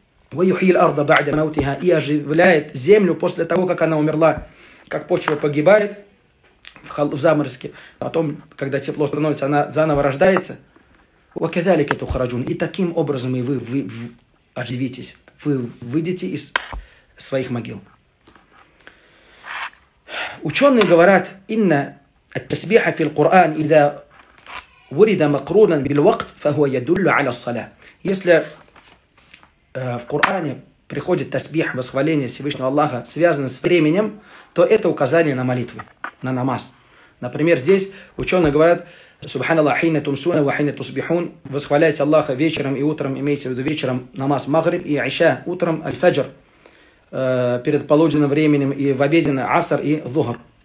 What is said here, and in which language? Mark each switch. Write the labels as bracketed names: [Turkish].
[Arabic] Ваюхиль арда ба'да маутиха. [Russian] И оживляет землю после того, как она умерла. Как почва погибает в заморозке. Потом, когда тепло становится, она заново рождается. [Arabic] وَكَذَلِكَ تُخْرَجُونَ. [Russian] И таким образом и вы оживитесь. Вы выйдете из своих могил. Ученые говорят, [Arabic] إِنَّ التَّسْبِيحَ فِي الْقُرْآنِ إِذَا وُرِدَ مَقْرُونًا بِالْوَقْتِ فَهُوَ يَدُلُّ عَلَى الصَّلَاةِ. [Russian] Если в Коране приходит тасбих, восхваление Всевышнего Аллаха, связанное с временем, то это указание на молитву, на намаз. Например, здесь ученые говорят, [Arabic] Субханаллах, хайна тумсуна, вахайна тусбихун. [Russian] Восхваляйте Аллаха вечером и утром, имейте в виду вечером намаз магриб и айша, утром аль-фаджр, перед полуденным временем и в обеденный аср и зухр.